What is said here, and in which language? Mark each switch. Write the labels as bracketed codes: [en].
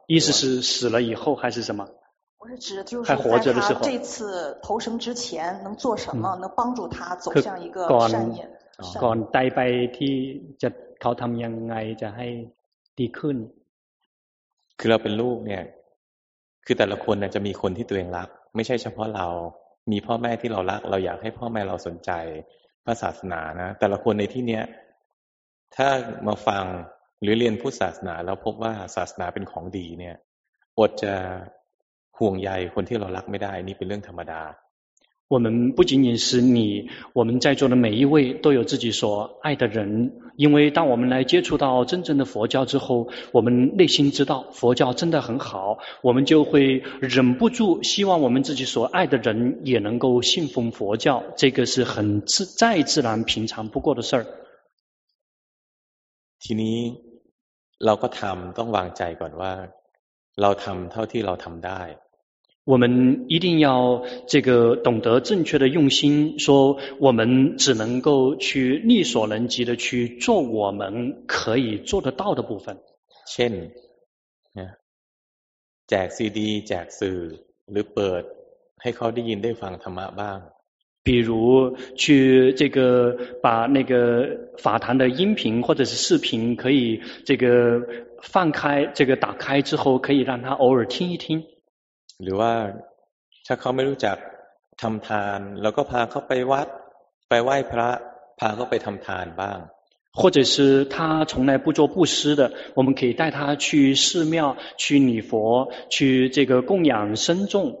[zh] 意思是死了以后还是什么我是指就是说在他这次投生之前能做什么能帮助他走向一个善业 [th] ก่อนตายไปที่จะเขาทำยังไงจะให้ดีขึ้น คือเราเป็นลูกเนี่ยคือแต่ละคนเนี่ยจะมีคนที่ตัวเองรักไม่ใช่เฉพาะเรามีพ่อแม่ที่เรารักเราอยากให้พ่อแม่เราสนใจพระศาสนานะแต่ละคนในที่เนี้ยถ้ามาฟังหรือเรียนพุทธศาสนาแล้วพบว่าศาสนาเป็นของดีเนี่ยอดจะห่วงใยคนที่เรารักไม่ได้นี่เป็นเรื่องธรรมดา [zh] 我们不仅仅是你我们在座的每一位都有自己所爱的人因为当我们来接触到真正的佛教之后我们内心知道佛教真的很好我们就会忍不住希望我们自己所爱的人也能够信奉佛教这个是很再自然平常不过的事儿 [th] ทีนี้เราก็ทำต้องวางใจก่อนว่าเราทำเท่าที่เราทำได้ [zh] 我们一定要这个懂得正确的用心说我们只能够去力所能及的去做我们可以做得到的部分 [th] เช่นแจก CD แจกสื่อหรือเปิดให้เขาได้ยินได้ฟังธรรมะบ้าง [zh] 比如去这个把那个法坛的音频或者是视频可以这个放开这个打开之后可以让他偶尔听一听 [th] หรือว่าถ้าเขาไม่รู้จักทำทานเราก็พาเขาไปวัดไปไหว้พระพาเขาไปทำทานบ้าง [zh] 或者是他从来不做布施的我们可以带他去寺庙去礼佛去这个供养僧众